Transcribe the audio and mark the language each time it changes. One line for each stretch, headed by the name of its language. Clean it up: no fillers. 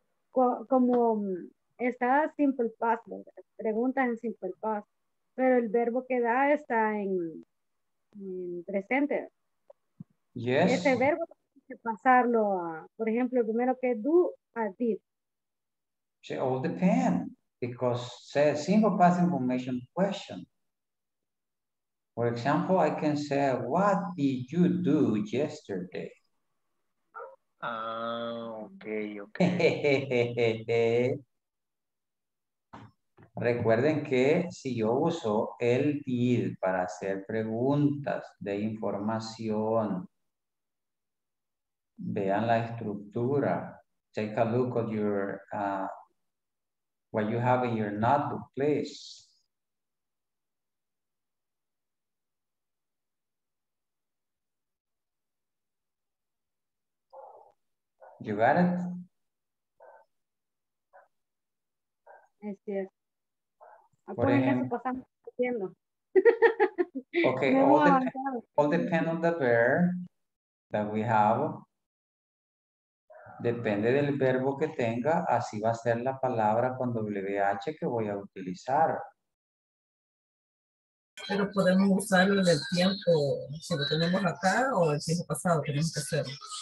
Spanish: Como está simple past, pregunta en simple past, pero el verbo que da está en presente.
English: Yes.
Spanish: Ese verbo tiene que pasarlo a, por ejemplo, el primero que do, a did.
English: It all depends, because say simple past information question. For example, I can say, what did you do yesterday? Okay, okay.
Spanish: Recuerden que si yo uso el did para hacer preguntas de información, vean la estructura.
English: Take a look at your what you have in your notebook, please. You got it? Yes, yes.
Spanish: Por ejemplo, estamos haciendo.
English: Okay, all depend on the verb that we have.
Spanish: Depende del verbo que tenga, así va a ser la palabra con WH que voy a utilizar. Pero podemos usar el del tiempo, si lo tenemos acá o el tiempo pasado, tenemos que hacerlo.